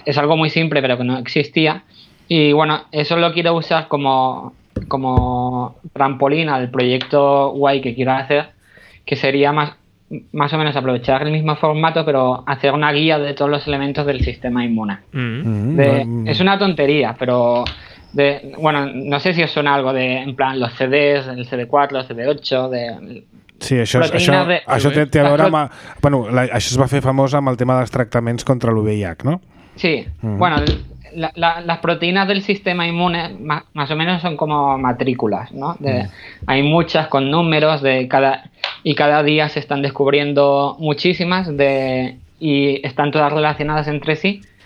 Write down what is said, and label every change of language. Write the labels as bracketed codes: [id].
[es] Es algo muy simple, pero que no existía. Y bueno, eso lo quiero usar como trampolín al proyecto guay que quiero hacer, que sería más o menos aprovechar el mismo formato, pero hacer una guía de todos los elementos del sistema inmune. Es una tontería, pero... bueno, no sé si os suena algo de, en plan, los CDs, el CD4, el CD8, de... [ca] Sí, això té a veure amb... Bueno, això es va fer famós amb el tema dels tractaments contra l'VIH, no? [es] Sí, bueno, las proteínas del sistema inmune más o menos son como matrículas, ¿no? Hay muchas con números de cada día se están descubriendo muchísimas y están todas relacionadas entre sí.